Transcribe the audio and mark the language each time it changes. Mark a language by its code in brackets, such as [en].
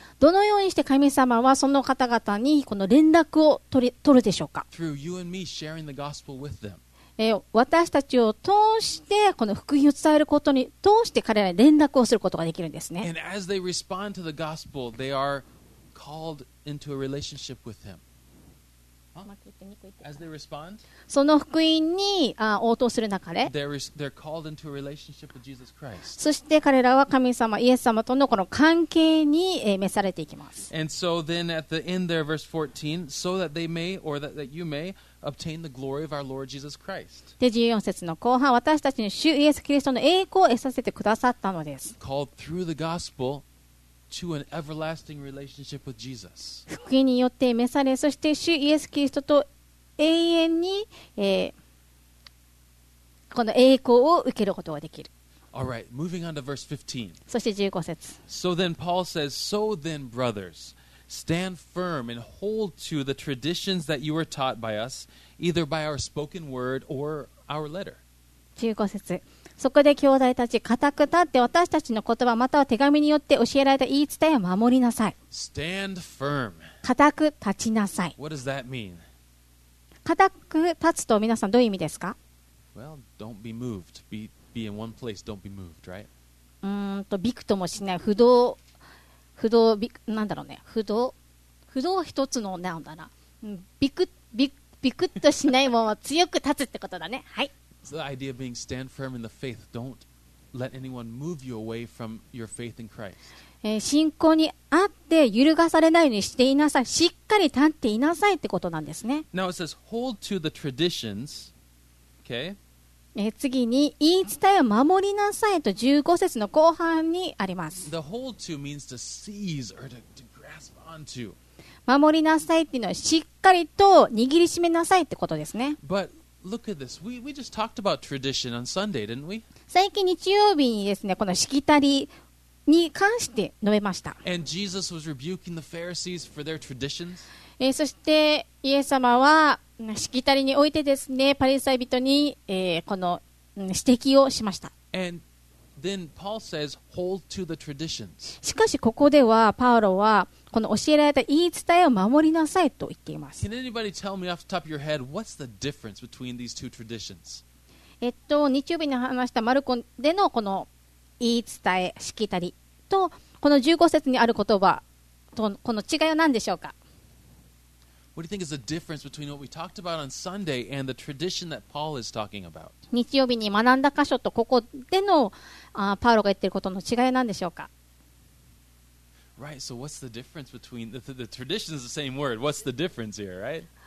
[ja] どのようにして神様はその方々にこの連絡を取るでしょうか。 [en] Through you and me sharing the gospel with them. [ja] 私たちを通してこの福音を伝えることに通して彼らに連絡をすることができるんですね。 [en] And as they respond to the gospel, they are called into a relationship with him. As they respond, [ja] その福音に応答する中で [en] they're called into a relationship with Jesus Christ. [ja] そして彼らは神様イエス様とのこの関係に召されていきます。 [en] And so then at the end there verse 14 so that they may or that you may obtain the glory of our Lord Jesus Christ. [ja] で14節の後半私たちに主イエスキリストの栄光を得させてくださったのです。 [en] Called through the gospelTo an everlasting relationship with Jesus. [ja] 福音によって召され、そして主イエスキリストと永遠に、この栄光を受けることができる。 [en] All right, moving on to verse 15. [ja] そして15節。 [en] So then Paul says, So then brothers, stand firm and hold to the traditions that you were taught by us, either by our spoken word or our letter. [ja] 15節。そこで兄弟たち固く立って私たちの言葉または手紙によって教えられた言い伝えを守りなさい。 [en] Stand firm. [ja] 固く立ちなさい。 [en] What does that mean? [ja] 固く立つと皆さんどういう意味ですか？ [en] Well, don't be moved. Be in one place, don't be moved, right? [ja] びくともしない、不動、なんだろうね、不動一つの、なんだな、びくっとしないまま強く立つってことだね。はい。 [en] It's the idea of being stand firm in the faith. Don't let anyone move you away from your faith in Christ. [ja] 信仰にあって揺るがされないようにしていなさい、しっかり立っていなさいってことなんですね。 [en] Now it says hold to the traditions、okay? [ja] 次に言い伝えを守りなさいと15節の後半にあります。 [en] The hold to means to seize or to grasp onto。 [ja] 守りなさいっていうのはしっかりと握りしめなさいってことですね。 [en] But look at this. We just talked about tradition on Sunday, didn't we? [ja] 最近日曜日にですね、このしきたりに関して述べました。 [en] And Jesus was rebuking the Pharisees for their traditions. [ja] そしてイエス様はしきたりにおいてですね、パリサイ人に、この指摘をしました。 [en] And then Paul says, hold to the traditions. [ja] しかしここではパウロはこの教えられた言い伝えを守りなさいと言っています。 [en] Can anybody tell me off the top of your head what's the difference between these two traditions? [ja] 日曜日に話したマルコでのこの言い伝えしきたりとこの15節にある言葉とこの違いは何でしょうか。 [en] What do you think is the difference between what we talked about on Sunday and the tradition that Paul is talking about? [ja] 日曜日に学んだ箇所とここでのパウロが言っていることの違いは何でしょうか。 [en] Right, so what's the difference between the tradition is the same word. What's the difference here, right?